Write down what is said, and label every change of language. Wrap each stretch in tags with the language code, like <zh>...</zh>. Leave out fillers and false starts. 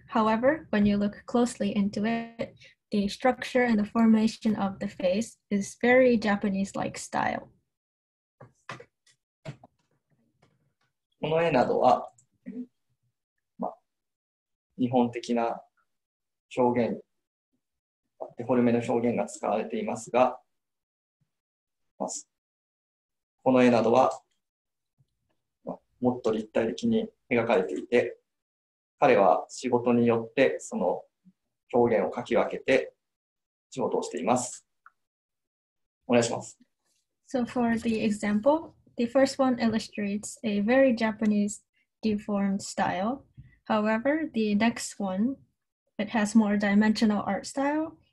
<en>However, when you look closely into it, the structure and the formation of the face is very Japanese-like style.</en> <ja>この絵などは、まあ、日本的な表現デフォルメの表現が使われていますが、まあ、この絵などは、まあ、もっと立体的に描かれていて、彼は仕事によってその表現を描き分けて仕事をしています。お願いします。</ja> <en>So for the example, the first one illustrates a very Japanese deformed style. However, the next one, it has more dimensional art style.</en>